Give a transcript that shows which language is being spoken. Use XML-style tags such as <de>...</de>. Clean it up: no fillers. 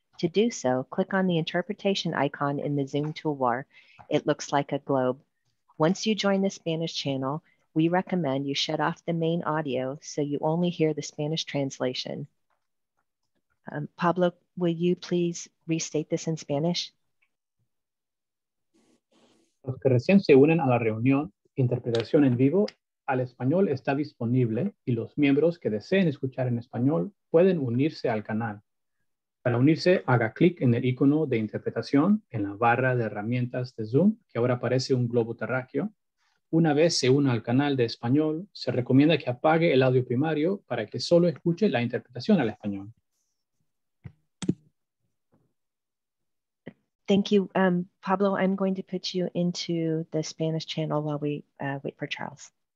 <en>To do so, click on the interpretation icon in the Zoom toolbar. It looks like a globe. Once you join the Spanish channel, we recommend you shut off the main audio so you only hear the Spanish translation. Pablo, will you please restate this in Spanish?</en> <es>Los que recién se unen a la reunión, interpretación en vivo al español está disponible y los miembros que deseen escuchar en español pueden unirse al canal. Para unirse, haga clic en el icono de interpretación en la barra de herramientas de Zoom, que ahora parece un globo terráqueo. Una vez se una al canal de español, se recomienda que apague el audio primario para que solo escuche la interpretación al español.</es> <en>Thank you. Pablo, I'm going to put you into the Spanish channel while we wait for Charles.</en>